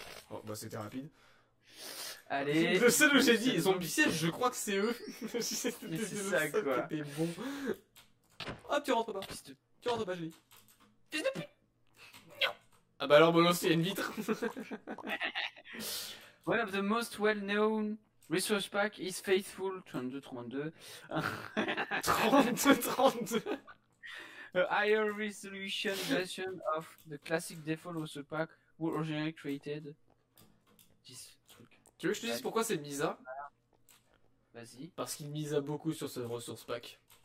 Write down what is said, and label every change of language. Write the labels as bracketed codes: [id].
[fr] Oh, bah, c'était rapide. Allez. Le seul où j'ai dit zombie siège, je crois que c'est eux. Mais c'est ça, quoi. C'était bon. Hop, tu rentres pas. Tu rentres pas, j'ai dit. Fils de pute. Ah, bah, alors, bon, aussi, il y a une vitre. [en] One of the most well-known resource pack is Faithful 3232. 3232. A higher resolution version of the classic default resource pack who originally created this truc. [fr] Tu veux que je te dise pourquoi c'est Misa? Vas-y. Parce qu'il misa beaucoup sur ce resource pack.